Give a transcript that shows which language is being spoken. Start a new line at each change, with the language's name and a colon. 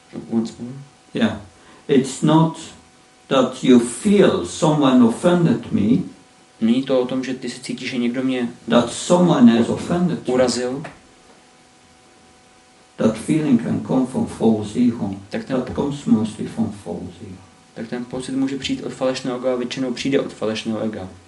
English: Once more. Yeah. It's not that you feel someone offended me.
Czech: Není to o tom, že ty se cítíš, že někdo mě
English: that someone has offended
Czech: urazil.
English: That feeling can come from false ego. That comes mostly from false ego.
Czech: Tak ten pocit může přijít od falešného ega, a většinou přijde od falešného ega.